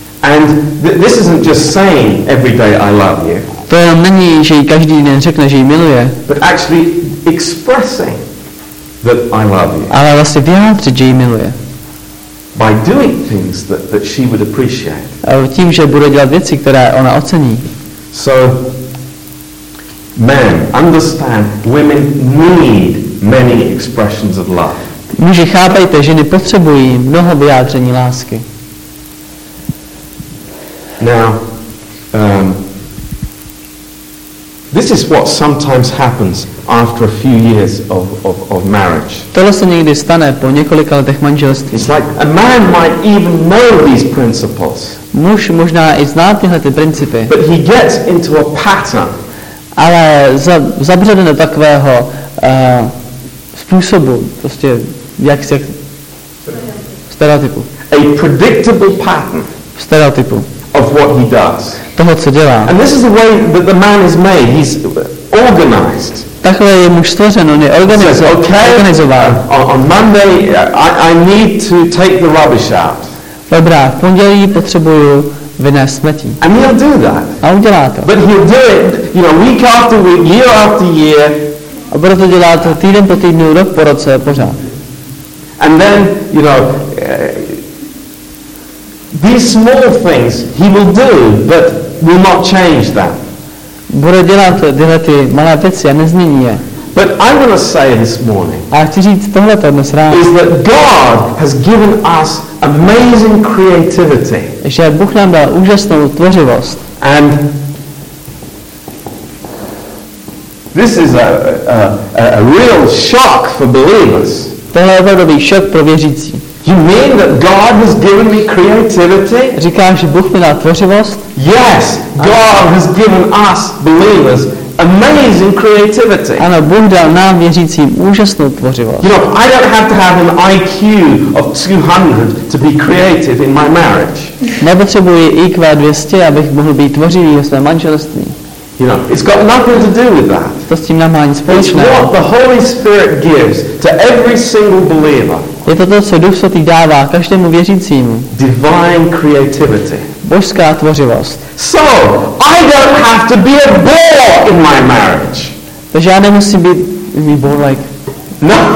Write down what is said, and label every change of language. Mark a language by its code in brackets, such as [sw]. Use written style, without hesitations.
[en] And this isn't just saying every day I love you. [cs] To není, že jí každý den řekne, že jí miluje. [en] But actually expressing that I love you. [cs] Ale vlastně vyjádřit, že jí miluje. [en] By doing things that she would appreciate. [cs] A tím, že bude dělat věci, které ona ocení. [en] So, men, understand, women need many expressions of love. [cs] Muži, chápejte, ženy potřebují mnoho vyjádření lásky. [en] Now, this is what sometimes happens after a few years of marriage. [cs] Tohle se někdy stane po několika letech manželství. [en] It's like a man might even know these principles. [cs] Muž možná i zná tyhle ty principy. [en] But he gets into a pattern. [cs] Ale zabředne do takového způsobu, prostě jak stereotypu. [en] A predictable pattern. [cs] Stereotypu. [en] Of what he does. [cs] Toho, co dělá. [en] And this is the way that the man is made. He's organized. [cs] Takhle je muž stvořen, on je organizován. [en] On Monday I need to take the rubbish out. [cs] Dobrá, v pondělí potřebuju vynést smetí. [en] And he'll do that. [cs] A udělá to. [en] But he'll do it, you know, week after week, year after year. [cs] A bude to dělat týden po týdnu, rok po roce, pořád. [en] And then, you know, these small things he will do, but will not change that. [cs] Bude dělat tyhle ty malé věci a nezmění je. [en] But I'm going to say this morning. [cs] A chci říct tohleto dnes ráno. [en] Is that God has given us amazing creativity. [cs] Že Bůh nám dal úžasnou tvořivost. [en] And this is a real shock for believers. [cs] Tohle je velký šok pro věřící. [en] You mean that God has given me creativity? [cs] Říkáš, že Bůh mi dal tvořivost? [en] Yes, God has given us believers amazing creativity. [cs] Ano, Bůh dal nám věřícím úžasnou tvořivost. [en] You know, I don't have to have an IQ of 200 to be creative in my marriage. [cs] Nepotřebuji IQ 200, abych mohl být tvořivý ve svém manželství. [en] You know, it's got nothing to do with that. [cs] To s tím nemá nic společného. [en] It's what the Holy Spirit gives to every single believer. [cs] Je to, co Duch Svatý dává každému věřícímu. [en] Divine creativity. [cs] Božská tvořivost. [en] So, I don't have to be a bore in my marriage. [cs] Takže já nemusím být [en] bore like. No.